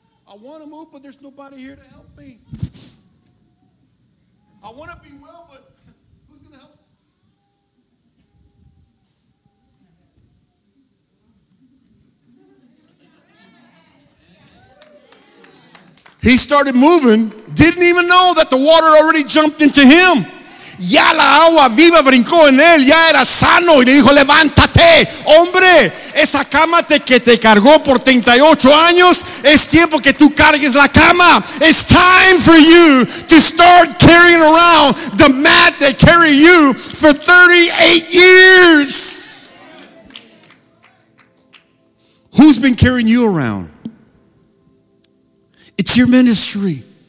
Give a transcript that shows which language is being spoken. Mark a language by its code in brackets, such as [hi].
[en] I want to move, but there's nobody here to help me. I want to be well, but who's going to help? He started moving, didn't even know that the water already jumped into him. [es] Ya la agua viva brincó en él, ya era sano y le dijo, levántate, hombre, esa cama que te cargó por 38 años, es tiempo que tú cargues la cama. [en] It's time for you to start carrying around the mat that carried you for 38 years. Who's been carrying you around? It's your ministry.